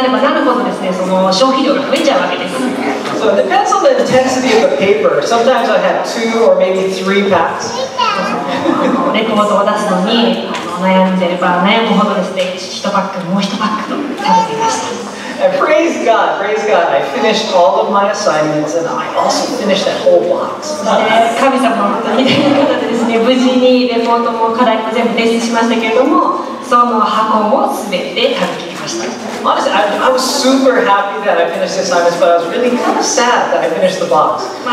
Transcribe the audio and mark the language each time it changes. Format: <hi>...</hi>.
<ja>この春ですね、修士号を取得したので、そのために勉強を家でしてたんですけれども、課題が大変になればなるほどですね、その消費量が増えちゃうわけです。</ja> <en>So it depends on the intensity of the paper. Sometimes I had two or maybe three packs.</en> <ja>レポートを出すのに悩んでれば悩むほどですね、一パックもう一パックと食べていました。</ja> <en>And praise God, I finished all of my assignments and I also finished that whole box.</en> <ja>神様本当に良かったですね。無事にレポートも課題も全部提出しましたけれども、その箱を全て食べきりました。</ja> <en>Honestly, I was super happy that I finished the assignments, but I was really kind of sad that I finished the box.</en>